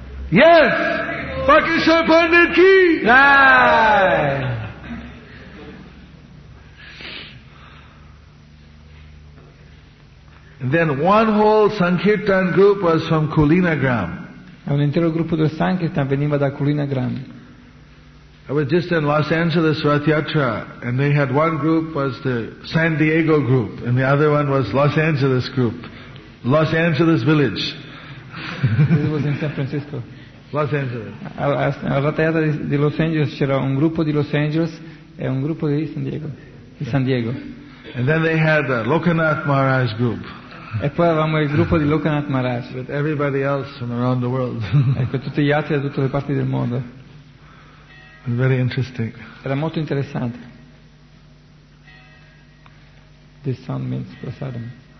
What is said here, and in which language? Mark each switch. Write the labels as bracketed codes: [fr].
[en] Yes! Pakishwar Pandit ki! [hi] Jai! [en] Then one whole sankirtan group was from Kulinagram. [it] Un intero gruppo del sankirtan veniva da Kulinagram. [en] I was just in Los Angeles Rath Yatra, and they had one group was the San Diego group, and the other one was Los Angeles group, Los Angeles village. It was in San Francisco. Los Angeles. [it] A Rath Yatra di Los Angeles c'era un gruppo di Los Angeles e un gruppo di San Diego. Di San Diego. [en] And then they had the Lokanath Maharaj group. [it] E poi avevamo il gruppo di Lokanath Maharaj. [en] With everybody else from around the world. [it] Ecco, tutti gli altri da tutte le parti del mondo. [en] Very interesting. [it] Era molto interessante. [en] This sound means prasadam.